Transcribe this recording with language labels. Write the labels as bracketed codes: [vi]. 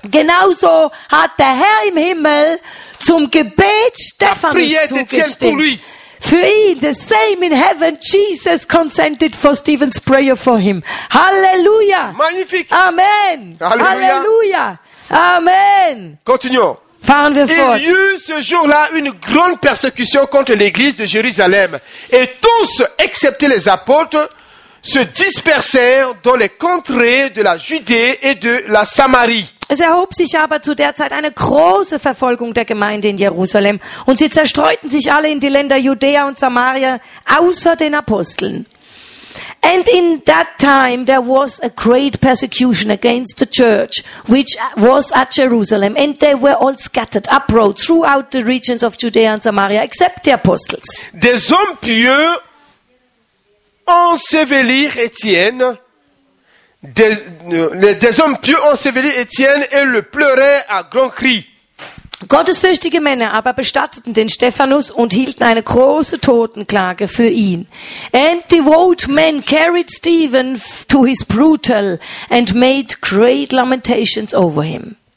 [de] Genauso hat der Herr im Himmel zum Gebet Stephanus [fr] la prière [de] zugestimmt. [fr] D'Étienne pour lui. [de] Für ihn, [en] the same in heaven, Jesus consented for Stephen's prayer for him. Halleluja. [fr] Magnifique. Amen. Halleluja. Halleluja. Amen. Continuons. [de] Fahren wir fort. [fr] Il y eut ce jour-là une grande persécution contre l'église de Jérusalem. Et tous, excepté les apôtres, se dispersèrent dans les contrées de la Judée et de la Samarie. [de] Es erhob sich aber zu der Zeit eine große Verfolgung der Gemeinde in Jerusalem. Und sie zerstreuten sich alle in die Länder Judäa und Samaria, außer den Aposteln. [en] And in that time there was a great persecution against the church, which was at Jerusalem. And they were all scattered abroad throughout the regions of Judea and Samaria, except the apostles. [fr] Des hommes pieux ensevelirent Étienne. Des hommes pieux ensevelirent Étienne et le pleuraient à grands cris. [de] Gottesfürchtige Männer aber bestatteten den Stephanus und hielten eine große Totenklage für ihn. [en] And devout men carried Stephen to his brutal and made great lamentations over him.